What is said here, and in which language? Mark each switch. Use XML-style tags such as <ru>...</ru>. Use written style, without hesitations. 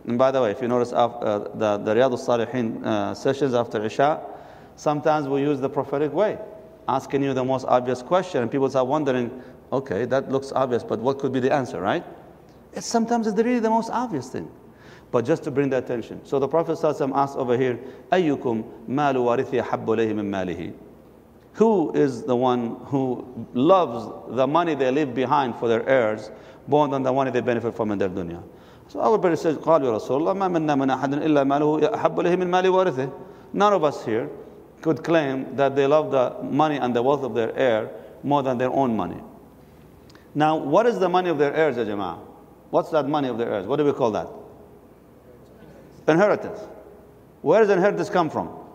<en>And by the way, if you notice the Riyad al-Salihin sessions after Isha, sometimes we use the prophetic way, asking you the most obvious question, and people start wondering, okay, that looks obvious, but what could be the answer, right? Sometimes it's really the most obvious thing. But just to bring the attention. So the Prophet ﷺ asked over here,</en> <ar>أَيُّكُمْ مَالُ وَارِثِي أَحَبُّ لَيْهِ مِنْ مَالِهِ.</ar> <en>Who is the one who loves the money they leave behind for their heirs, more than the money they benefit from in their dunya? So everybody says,</en> <ar>قَالُ يَا رَسُولَ اللَّهِ مَا مِنَّا مِنْ أَحَدٍ إِلَّا مَالُهُ أَحَبُّ لَيْهِ مِنْ مَالِهِ وَارِثِهِ.</ar> <en>None of us here could claim that they love the money and the wealth of their heir more than their own money. Now, what is the money of their heirs, Jama'ah? What's that money of their heirs? What do we call that? Inheritance. Where does inheritance come from?</en>